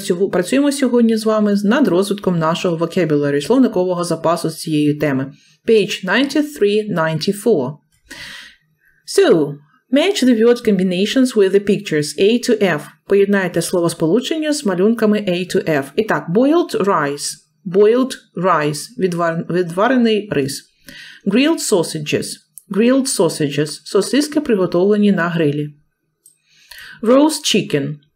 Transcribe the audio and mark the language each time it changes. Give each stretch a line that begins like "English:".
Ukrainian: Працюємо сьогодні з вами над розвитком нашого vocabulary, словникового запасу з цієї теми.
English: Page 93-94. So, match the word combinations with the pictures A to F.
Ukrainian: Поєднайте словосполучення з малюнками A to F. І так,
English: boiled rice. Boiled rice,
Ukrainian: відварений рис.
English: Grilled sausages. Grilled sausages,
Ukrainian: сосиски приготовлені на грилі.
English: Roast chicken.